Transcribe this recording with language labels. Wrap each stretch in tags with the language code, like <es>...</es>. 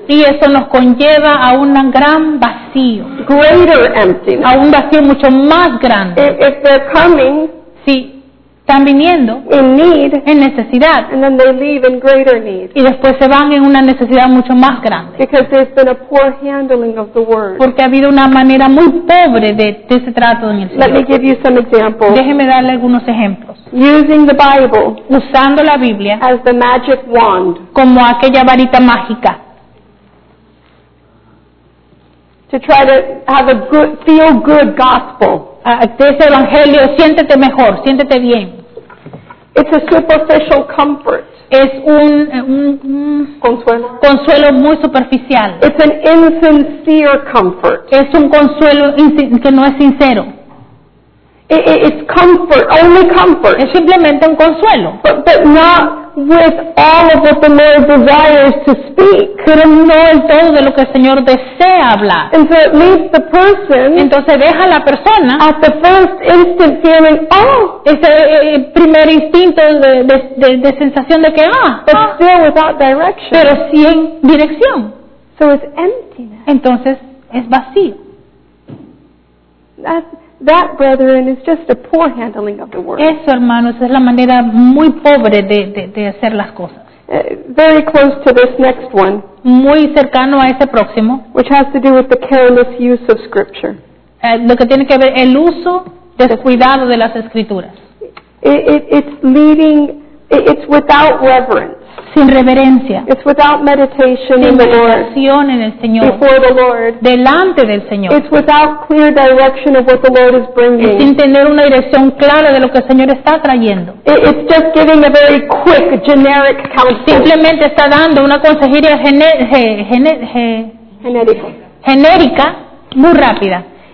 <es>Y eso nos conlleva a un gran vacío.</es> <en>Greater emptiness.</en> <es>A un vacío mucho más grande.</es> <en>If they're coming,</en> <es>si están viniendo</es> <en>in need,</en> <es>en necesidad,</es> <en>and then they leave in greater need.</en> <es>Y después se van en una necesidad mucho más grande,</es> <en>because there's been a poor handling of the word.</en> <es>Porque ha habido una manera muy pobre de ese trato en el Señor.</es> <en>Let me give you some examples.</en> <es>Déjeme darle algunos ejemplos.</es> <en>Using the Bible,</en> <es>usando la Biblia,</es> <en>as the magic wand,</en> <es>como aquella varita mágica,</es> <en>to try to have a good, feel good gospel.</en> <es>Ese evangelio, siéntete mejor, siéntete bien.</es> <en>It's a superficial comfort.</en> <es>Es un consuelo muy superficial.</es> <en>It's an insincere comfort.</en> <es>Es un consuelo que no es sincero.</es> <en>It's comfort, only comfort.</en> <es>Es simplemente un consuelo.</es> <en>But not with all of what the Lord desires to speak.</en> <es>Pero no en todo de lo que el Señor desea hablar.</es> <en>And so it leaves the person.</en> <es>Entonces deja a la persona.</es> <en>At the first instant feeling, oh.</en> <es>Ese primer instinto de sensación de que ah.</es> <en>But still without direction.</en> <es>Pero sin dirección.</es> <en>So it's emptiness.</en> <es>Entonces es vacío.</es> <en>That, brethren, is just a poor handling of the word.</en> <es>Eso, hermanos, es la manera muy pobre de hacer las cosas.</es> <en>Very close to this next one.</en> <es>Muy cercano a ese próximo.</es> <en>Which has to do with the careless use of scripture.</en> <es>Lo que tiene que ver el uso descuidado de las escrituras.</es> <en>It's without reverence.</en> <es>Sin reverencia.</es> <en>It's without meditation in the Lord.</en> <es>Sin meditación en el Señor.</es> <en>Before the Lord.</en> <es>Delante del Señor.</es> <en>It's without clear direction of what the Lord is bringing.</en> <es>Es sin tener una dirección clara de lo que el Señor está trayendo.</es> <en>It's just giving a very quick, generic counsel.</en> <es>Simplemente está dando una consejería genérica, muy rápida.</es>